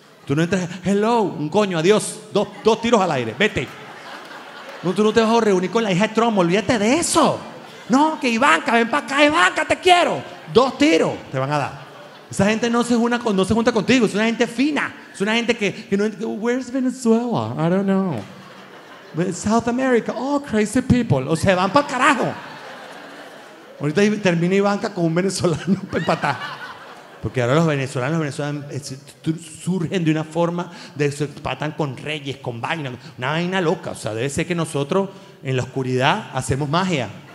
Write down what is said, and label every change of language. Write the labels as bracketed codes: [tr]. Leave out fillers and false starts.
[es] Tú no entras, hello, un coño, adiós. Dos tiros al aire, vete. No, tú no te vas a reunir con la hija de Trump, olvídate de eso. No, que Ivanka, ven para acá, Ivanka, te quiero. Dos tiros te van a dar. Esa gente no se junta contigo, es una gente fina. Es una gente que no entiende. [en] Where's Venezuela? I don't know. But South America, oh, crazy people. [es] O sea, van para el carajo. Ahorita termina Ivanka con un venezolano para empatar. Porque ahora los venezolanos surgen de una forma de se empatan con reyes, con vainas. Una vaina loca. O sea, debe ser que nosotros en la oscuridad hacemos magia.